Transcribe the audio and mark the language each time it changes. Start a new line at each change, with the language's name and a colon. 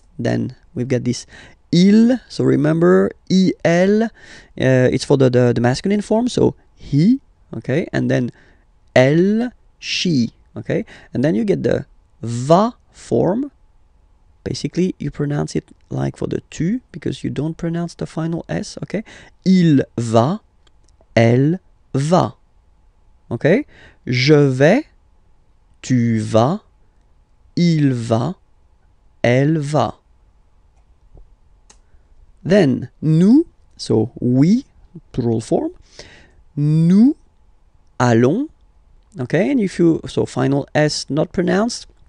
English: Then we've got this. Il, so remember, il, it's for the masculine form, so he, okay, and then elle, she, okay, and then you get the va form. Basically, you pronounce it like for the tu, because you don't pronounce the final S, okay?
French: Il va, elle va, okay? Je vais, tu vas, il va, elle va.
English: Then, nous, so we, plural form,
French: nous allons,
English: okay, and if you, so final S not pronounced,